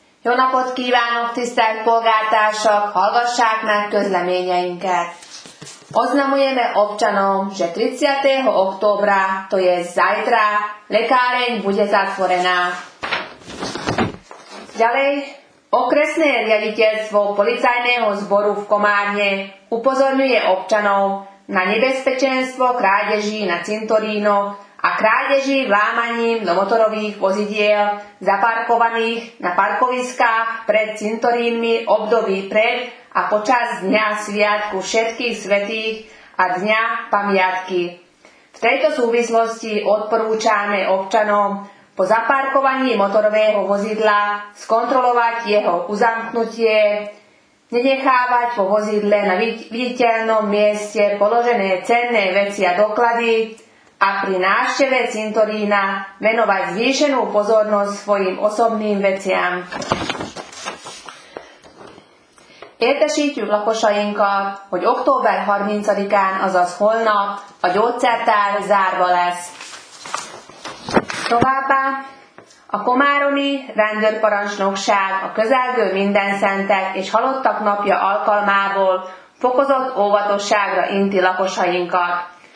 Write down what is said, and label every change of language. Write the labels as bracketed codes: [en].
[hu] Jó napot kívánok, tisztelt polgártársak, hallgassák meg közleményeinket. [sk] Oznamujeme občanom, že 30. októbra, to je zajtra, lekáreň bude zatvorená. Ďalej, okresné riaditeľstvo policajného zboru v Komárne upozorňuje občanov na nebezpečenstvo krádeží na cintorínoch a krádeží vlámaním do motorových vozidiel zaparkovaných na parkoviskách pred cintorínmi období pred a počas Dňa sviatku všetkých svätých a Dňa pamiatky. V tejto súvislosti odporúčame občanom po zaparkovaní motorového vozidla skontrolovať jeho uzamknutie, nenechávať po vozidle na viditeľnom mieste položené cenné veci a doklady a pri návšteve cintorína venovať zvýšenú pozornosť svojim osobným veciam. [hu] Értesítjük lakosainkat, hogy október 30-án, azaz holnap, a gyógyszertár zárva lesz. Továbbá, a komáromi rendőrparancsnokság a közelgő Mindenszentek és halottak napja alkalmából fokozott óvatosságra inti lakosainkat.